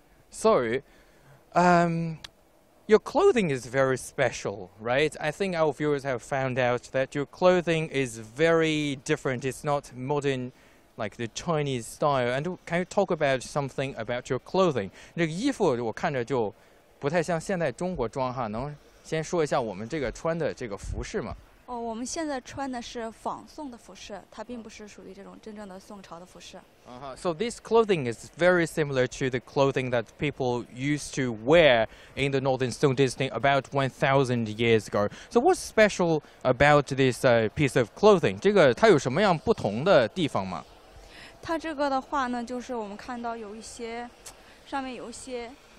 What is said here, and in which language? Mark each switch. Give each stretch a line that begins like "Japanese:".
English: So, your clothing is very special, right? I think our viewers have found out that your clothing is very different. It's not modern, like the Chinese style. And can you talk about something about your clothing?
Chinese: 这个衣服我看着就不太像现在中国装哈，能。先说一下我们这个穿的这个服饰嘛。哦，我们现在穿的是仿宋的服饰，它并不是属于这种真正的宋朝的服饰。
English: So this clothing is very similar to the clothing that people used to wear in the Northern Song Dynasty about 1,000 years ago. So what's special about this piece of clothing?
Chinese: 这个它有什么样不同的地方吗？它这个的话呢，就是我们看到有一些，上面有一些。